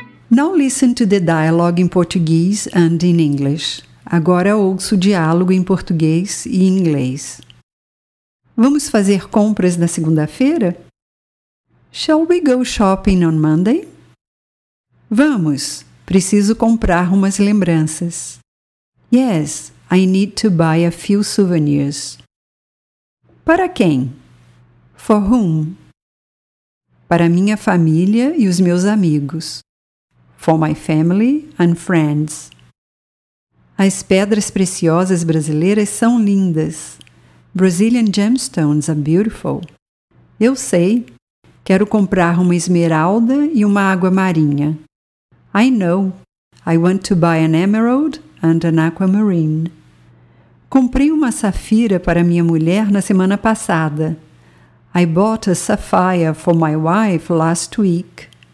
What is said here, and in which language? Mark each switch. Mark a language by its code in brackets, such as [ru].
[en] Now listen to the dialogue in Portuguese and in English. [pt] Agora ouço o diálogo em português e inglês. Vamos fazer compras na segunda-feira? [en] Shall we go shopping on Monday? [pt] Vamos, preciso comprar umas lembranças. [en] Yes, I need to buy a few souvenirs. [pt] Para quem? [en] For whom? [pt] Para minha família e os meus amigos. [en] For my family and friends. [pt] As pedras preciosas brasileiras são lindas. [en] Brazilian gemstones are beautiful. [pt] Eu sei. Quero comprar uma esmeralda e uma água marinha. [en] I know. I want to buy an emerald and an aquamarine. [pt] Comprei uma safira para minha mulher na semana passada. [en] I bought a sapphire for my wife last week.